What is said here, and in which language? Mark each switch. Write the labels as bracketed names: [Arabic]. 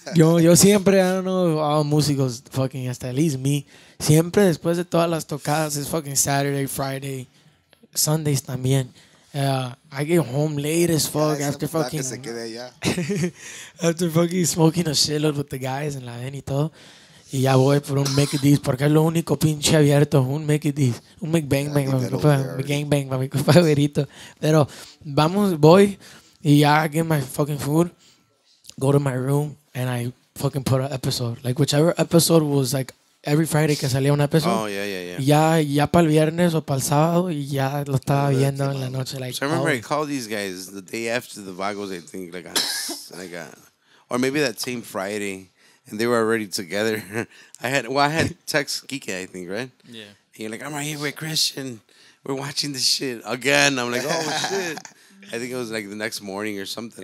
[Spanish] Yo siempre, [English] I don't know, all músicos, fucking, hasta at least me. [Spanish] Siempre después de todas las tocadas, [English] it's fucking Saturday, Friday, Sundays [Spanish] también. [English] I get home late as fuck after fucking smoking a shitload with the guys and [Spanish] la ven y todo. Y ya voy por un Make It porque es lo único pinche abierto, un Make It un McBang Bang, para mi compadrito. Pero vamos, voy, y ya [English] get my fucking food, go to my room, and I fucking put an episode. Like, whichever episode was, like, every Friday [Spanish] que salía un [English] episode. Oh, yeah. [Spanish] Ya para el viernes o para el sábado, y ya lo estaba viendo en la noche. [English] Like, so I remember I called these guys the day after the Vagos, I think, like a, or maybe that same Friday, and they were already together. I had text Kike, I think, right? Yeah. And you're like, I'm right here with Christian. We're watching this shit again. I'm like, oh, shit. I think it was like the next morning or something.